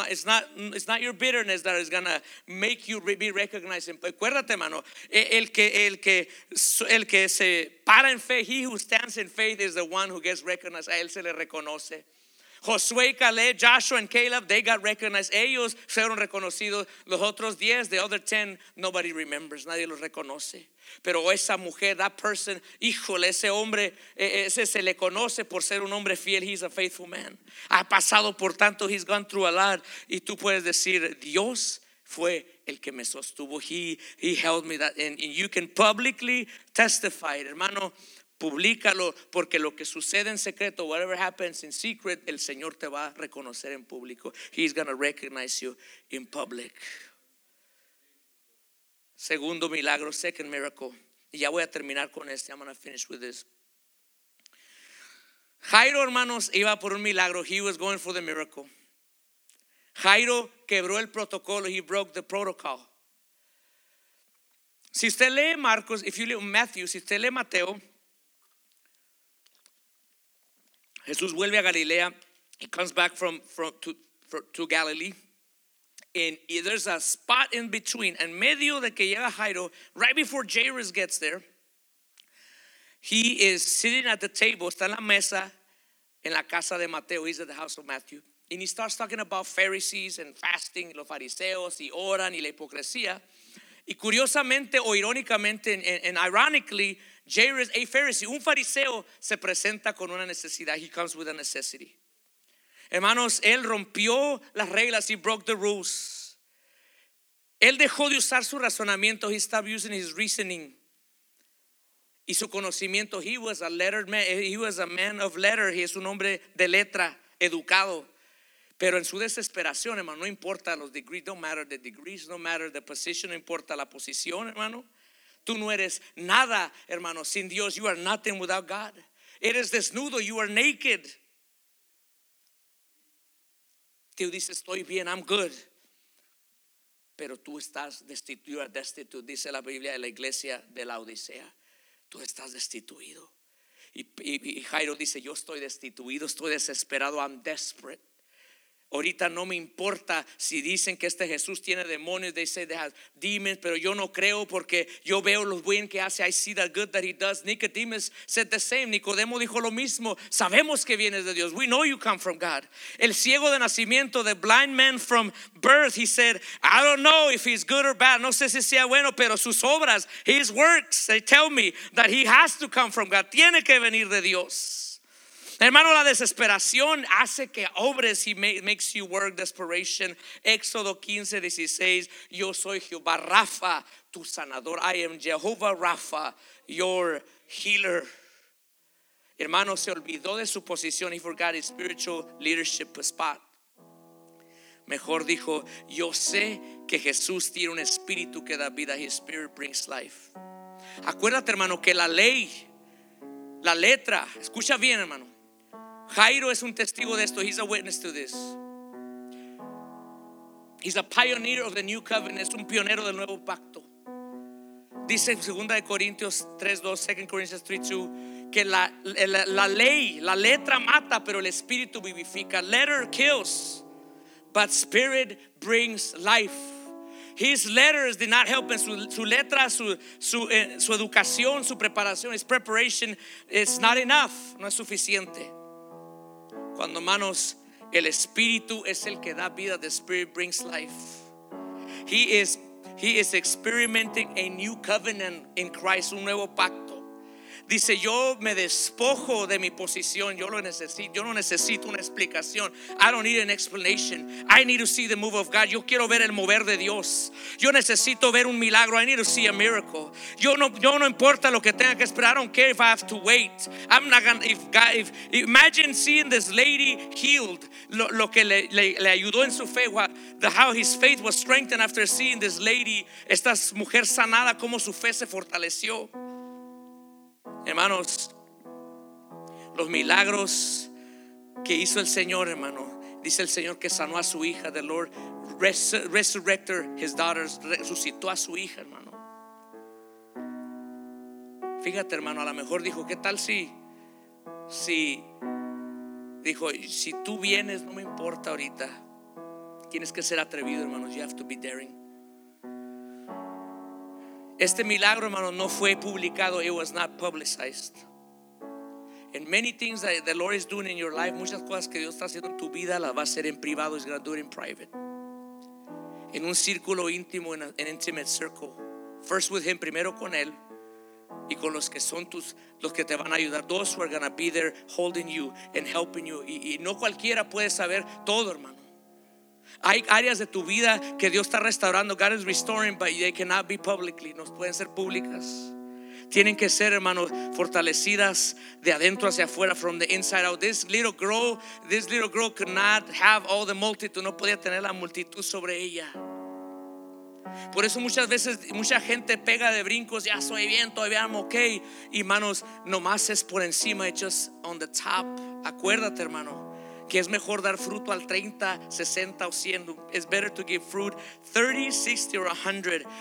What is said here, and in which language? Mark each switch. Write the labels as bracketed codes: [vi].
[en] It's not your bitterness that is gonna make you be recognized. [es] Acuérdate, hermano, el que se para en fe, [en] he who stands in faith is the one who gets recognized. [es] A él se le reconoce. [en] Josué y Caleb, Joshua and Caleb, they got recognized. [es] Ellos fueron reconocidos. Los otros 10, [en] the other 10, nobody remembers. [es] Nadie los reconoce. Pero esa mujer, [en] that person, [es] híjole, ese hombre, ese se le conoce por ser un hombre fiel. [en] He's a faithful man. [es] Ha pasado por tanto, [en] he's gone through a lot. [es] Y tú puedes decir, Dios fue el que me sostuvo. [en] He held me that. And you can publicly testify, hermano. [es] Publícalo, porque lo que sucede en secreto, [en] whatever happens in secret, [es] el Señor te va a reconocer en público. [en] He's going to recognize you in public. [es] Segundo milagro, [en] second miracle. [es] Y ya voy a terminar con este. [en] I'm going to finish with this. [es] Jairo, hermanos, iba por un milagro. [en] He was going for the miracle. [es] Jairo quebró el protocolo. [en] He broke the protocol. [es] Si usted lee Marcos, [en] if you lee Matthew, [es] si usted lee Mateo, Jesús vuelve a Galilea. [en] He comes back to Galilee. And there's a spot in between. [es] En medio de que llega Jairo, [en] right before Jairus gets there, he is sitting at the table. [es] Está en la mesa en la casa de Mateo. [en] He's at the house of Matthew. And he starts talking about Pharisees and fasting, [es] los fariseos, y oran, y la hipocresía. Y curiosamente o irónicamente [en] and ironically, [es] Jairus, [en] a Pharisee, [es] un fariseo, se presenta con una necesidad. [en] He comes with a necessity. [es] Hermanos, él rompió las reglas. [en] He broke the rules. [es] Él dejó de usar su razonamiento. [en] He stopped using his reasoning. [es] Y su conocimiento. [en] He was a lettered man. He was a man of letter. [es] He es un hombre de letra, educado. Pero en su desesperación, hermano, no importa los degrees. [en] Don't matter the degrees. Don't matter the position. [es] No importa la posición, hermano. Tú no eres nada, hermano, sin Dios. [en] You are nothing without God. [es] Eres desnudo. [en] You are naked. [es] Tú dices, estoy bien, [en] I'm good. [es] Pero tú estás destituido. [en] You are destitute, [es] dice la Biblia de la iglesia de la Odisea. Tú estás destituido. Y Jairo dice, yo estoy destituido. Estoy desesperado. [en] I'm desperate. [es] Ahorita no me importa si dicen que este Jesús tiene demonios, [en] they say they have demons, [es] pero yo no creo porque yo veo lo bien que hace. [en] I see the good that he does. Nicodemus said the same. [es] Nicodemo dijo lo mismo. Sabemos que vienes de Dios. [en] We know you come from God. El ciego de nacimiento, the blind man from birth, he said, I don't know if he's good or bad. [es] No sé si sea bueno, pero sus obras, [en] his works, they tell me that he has to come from God. [es] Tiene que venir de Dios. Hermano, la desesperación hace que obres. [en] He makes you work, desperation. [es] Éxodo 15:16. Yo soy Jehová Rafa, tu sanador. [en] I am Jehovah Rafa, your healer. [es] Hermano, se olvidó de su posición. [en] He forgot his spiritual leadership spot. [es] Mejor dijo, yo sé que Jesús tiene un espíritu que da vida. [en] His spirit brings life. [es] Acuérdate, hermano, que la ley, la letra, escucha bien, hermano. Jairo es un testigo de esto. [en] He's a witness to this. He's a pioneer of the new covenant. [es] Es un pionero del nuevo pacto. Dice 2 Corinthians 3:2, 2 Corinthians 3:2, que la ley, la letra mata, pero el espíritu vivifica. [en] Letter kills, but spirit brings life. His letters did not help him. [es] Su letra, su educación, su preparación, [en] his preparation is not enough. [es] No es suficiente. Cuando manos, el Espíritu es el que da vida. [en] The Spirit brings life. He is experimenting a new covenant in Christ. [es] Un nuevo pacto. Dice, yo me despojo de mi posición. Yo lo necesito. Yo no necesito una explicación. [en] I don't need an explanation. I need to see the move of God. [es] Yo quiero ver el mover de Dios. Yo necesito ver un milagro. [en] I need to see a miracle. [es] Yo no importa lo que tenga que esperar. [en] I don't care if I have to wait. I'm not gonna, if imagine seeing this lady healed. [es] Lo que le ayudó en su fe. [en] How his faith was strengthened after seeing this lady. [es] Esta mujer sanada. Cómo su fe se fortaleció. Hermanos, los milagros que hizo el Señor, hermano, dice el Señor que sanó a su hija. [en] The Lord resurrected his daughter, [es] resucitó a su hija, hermano. Fíjate, hermano, a lo mejor dijo, ¿qué tal si dijo, si tú vienes, no me importa ahorita? Tienes que ser atrevido, hermano. [en] You have to be daring. [es] Este milagro, hermano, no fue publicado. [en] It was not publicized. And many things that the Lord is doing in your life, [es] muchas cosas que Dios está haciendo en tu vida, [en] las va a hacer en privado. He's going to do it in private. [es] En un círculo íntimo, [en] an intimate circle. First with Him, [es] primero con Él. Y con los que son tus, los que te van a ayudar. [en] Those who are going to be there holding you and helping you. [es] Y no cualquiera puede saber todo, hermano. Hay áreas de tu vida que Dios está restaurando. [en] God is restoring, but they cannot be publicly. [es] No pueden ser públicas. Tienen que ser, hermanos, fortalecidas de adentro hacia afuera, [en] from the inside out. This little girl could not have all the multitude. [es] No podía tener la multitud sobre ella. Por eso muchas veces mucha gente pega de brincos. Ya soy bien, todavía [en] I'm okay. [es] Y hermanos, nomás es por encima. [en] It's just on the top. [es] Acuérdate, hermano, que es mejor dar fruto al 30, 60 o 100. [en] It's better to give fruit 30, 60 or 100.